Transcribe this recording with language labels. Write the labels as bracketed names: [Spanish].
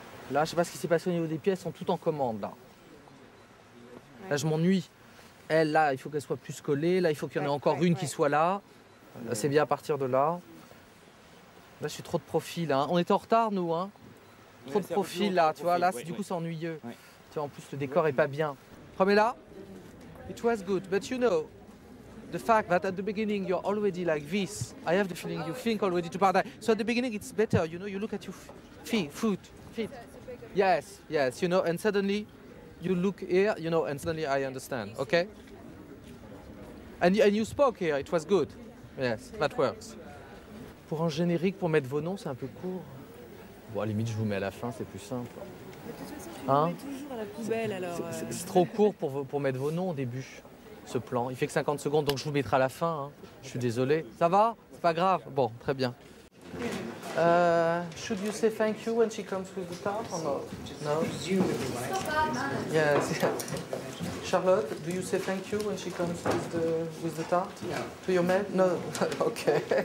[French] Là, je sais pas ce qui s'est passé au niveau des pieds, elles sont toutes en commande là. Ouais. Là, je m'ennuie. Elle, là, il faut qu'elle soit plus collée. Là, il faut qu'il y en ait encore une qui soit là. Là. C'est bien à partir de là. Là, je suis trop de profil. Hein. On était en retard, nous, hein. Trop de profil là, tu vois, là c'est, du coup c'est ennuyeux. Ouais. Tu vois, en plus le décor est pas bien. Promets-la. [English] It was good, but you know, the fact that at the beginning you're already like this, I have the feeling you think already to paradise. So at the beginning it's better, you know, you look at your feet. Yes, yes, you know, and suddenly you look here, you know, and suddenly I understand, okay? And you spoke here, it was good. Yes, that works. [French] Pour un générique, pour mettre vos noms, c'est un peu court. Bon, à la limite, je vous mets à la fin, c'est plus simple. Mais de toute façon, tu mets toujours à la poubelle, alors... C'est trop court pour mettre vos noms au début, ce plan. Il fait que 50 secondes, donc je vous mettrai à la fin. Hein. Je suis désolé. Ça va? C'est pas grave? Bon, très bien. [English] Should you say thank you when she comes with the top or not? No? Yes. Charlotte, do you say thank you when she comes with the top? No. To your man? No. Okay.